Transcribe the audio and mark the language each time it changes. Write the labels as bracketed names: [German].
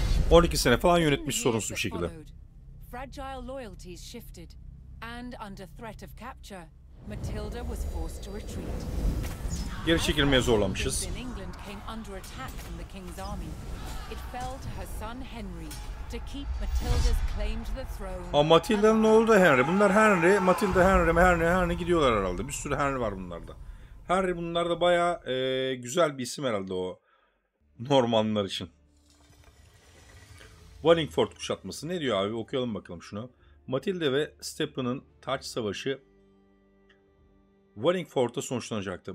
[Turkish] 12 sene falan yönetmiş sorunsuz bir şekilde. [English] Fragile loyalties shifted and under threat of capture, Matilda was forced to retreat. [Turkish] Geri çekilmeye zorlanmışız. [English] England came under attack from the king's army. It fell to her son Henry to keep Matilda's claim to the throne. [Turkish] Ama Matilda'nın ne oldu Henry? Bunlar Henry, Matilda, Henry gidiyorlar herhalde. Bir sürü Henry var bunlarda. Henry bunlarda bayağı güzel bir isim herhalde o Normanlar için. Wallingford kuşatması ne diyor abi? Okuyalım bakalım şunu. Matilda ve Stephen'ın taç savaşı Wallingford'da sonuçlanacaktı.